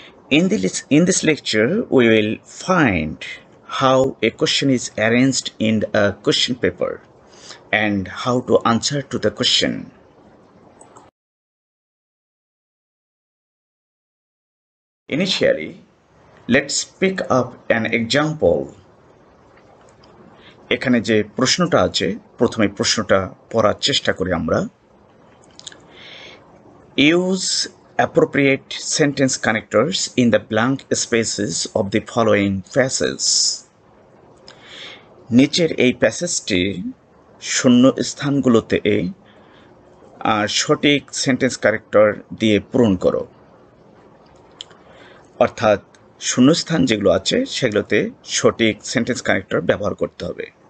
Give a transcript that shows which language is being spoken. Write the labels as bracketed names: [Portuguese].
[English] In this lecture, we will find how a question is arranged in a question paper and how to answer to the question. Initially, let's pick up an example. [Bangla] এখানে যে প্রশ্নটা আছে, প্রথমে প্রশ্নটা পড়ার চেষ্টা করি আমরা. [English] Use appropriate sentence connectors in the blank spaces of the following passages. [Bangla] নিচের এই প্যাসেজটি শূন্য স্থানগুলোতে সঠিক সেন্টেন্স কারেক্টর দিয়ে পূরণ করো. অর্থাৎ শূন্যস্থান যেগুলো আছে সেগুলোতে সঠিক সেন্টেন্স কানেক্টর ব্যবহার করতে হবে.